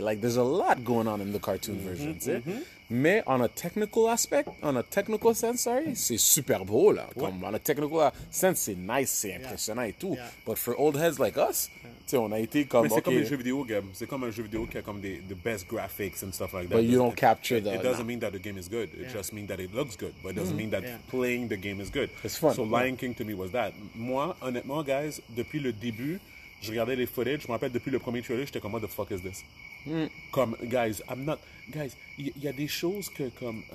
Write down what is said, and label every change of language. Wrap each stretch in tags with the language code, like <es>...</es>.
<en>Like there's a lot going on in the cartoon version.</en> <fr>Mais</fr> <en>on a technical aspect, on a technical sense, sorry,</en> <fr>c'est super beau là. Comme</fr> <en>on a technical sense,</en> <fr>c'est nice, c'est impressionnant et tout.</fr> <en>Yeah. But for old heads like us,</en> <fr>tu sais, on a été comme. Mais c'est comme un jeu vidéo, game. C'est comme un jeu vidéo qui a comme</fr> <en>the best graphics and stuff like that. But you don't capture that. It doesn't mean that the game is good. It just means that it looks good. But it doesn't mean that playing the game is good. It's fun. So Lion King to me was that.</en> <fr>Moi, honnêtement, guys, depuis le début, je regardais les footage. Je me rappelle depuis le premier trailer, j'étais comme,</fr> <en>what the fuck is this?</en> <fr>Comme, guys,</fr> <en>I'm not.</en> <fr>Guys, il y a des choses que comme.</fr>